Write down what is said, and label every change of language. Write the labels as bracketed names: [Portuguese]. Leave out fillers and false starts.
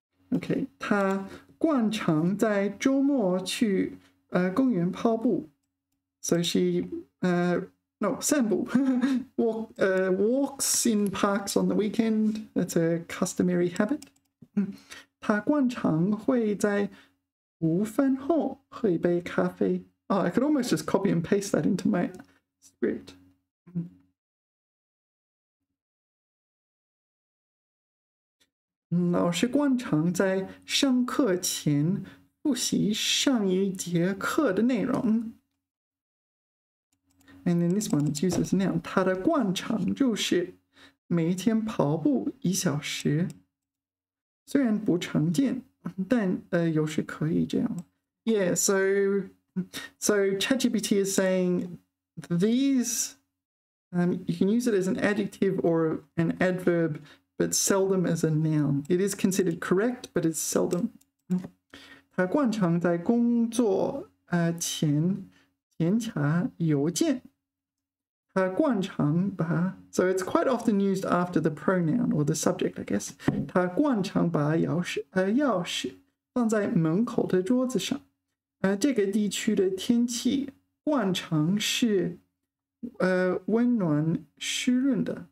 [Chinese] OK 他惯常在周末去公园跑步所以是No, 散步 [English] walks in parks on the weekend. That's a customary habit. [Chinese] 他惯常会在午饭后喝一杯咖啡。 [English] Oh, I could almost just copy and paste that into my script. [Chinese] 老师惯常在上课前复习上一节课的内容。 [English] And then this one, it uses a noun. [Chinese] 他的惯常就是每天跑步一小时。虽然不常见，但有时可以这样。 [English] Yeah, so ChatGPT is saying these, you can use it as an adjective or an adverb, but seldom as a noun. It is considered correct, but it's seldom. [Chinese] 他惯常在工作前检查邮件。 [English] 惯常把 so it's quite often used after the pronoun or the subject, I guess. [Chinese] 他惯常把钥匙放在门口的桌子上。这个地区的天气惯常是温暖湿润的。